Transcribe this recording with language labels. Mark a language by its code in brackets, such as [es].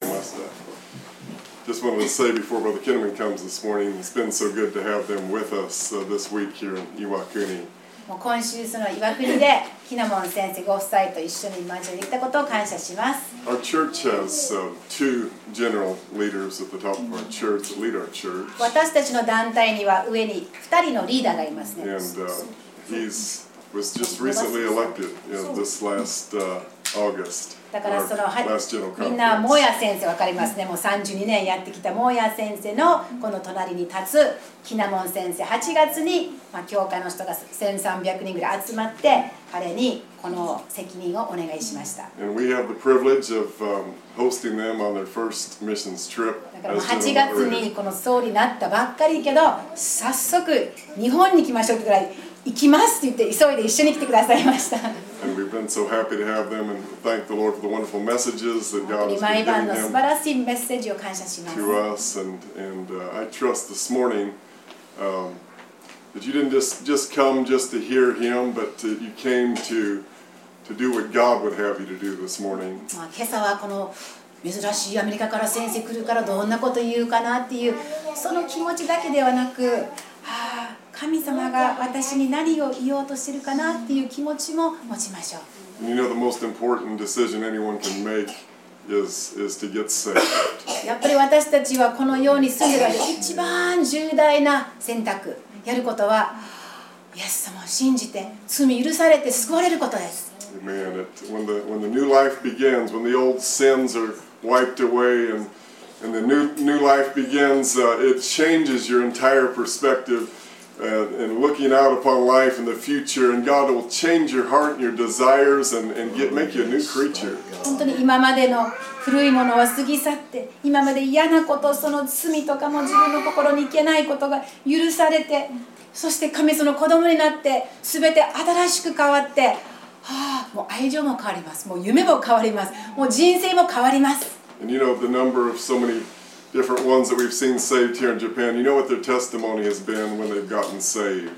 [en] just wanted to say before Brother Kinnaman comes this morning, it's been so good to have them with us this week here in Iwakuni. [ja] もう今週その岩国でキナモン先生ご夫妻と一緒に交わりたことを感謝します。 [en] Our church has two general leaders at the top of our church to lead our church. [ja] 私たちの団体には上に2人のリーダーがいますね。 [en] And he's was just recently elected in this last August. [ja] だからそのみんなモヤ先生わかりますね。もう32年やってきたモヤ先生のこの隣に立つキナモン先生。 8月に、まあ、教会の人が1300人ぐらい集まって彼にこの責任をお願いしました。 [en] And we have the privilege of hosting them on their first missions trip. [ja] だからもう8月にこの総理になったばっかりけど早速日本に来ましょうってぐらい。行きますって言って急いで一緒に来てくださいました。 [en] And we've been so happy to have them and thank the Lord for the wonderful messages that God has [ja] 毎晩の素晴らしいメッセージを感謝します。 [en] To us and I trust this morning that you didn't just come just to hear him, but you came to do what God would have you to do this morning. [ja] 今朝はこの珍しいアメリカから先生来るからどんなこと言うかなっていうその気持ちだけではなく、神様が私に何を言おうとしているかなっていう気持ちも持ちましょう。 [en] And you know the most important decision anyone can make is to get saved. [ja] やっぱり私たちはこの世に住んでいる一番重大な選択やることは、イエス様を信じて罪許されて救われることです。 [en] Amen. When the new life begins, when the old sins are wiped away and the new life begins, it changes your entire perspective. And looking out upon life and the future, and God will change your heart and your desires and make you a new creature. [ja] 本当に今までの古いものは過ぎ去って、今まで嫌なこと、その罪とかも自分の心にいけないことが許されて、そして神様の子供になって、すべて新しく変わって、もう愛情も変わります。もう夢も変わります。もう人生も変わります。 [en] And you know the number of so many. Different ones that we've seen saved here in Japan. You know what their testimony has been when they've gotten saved.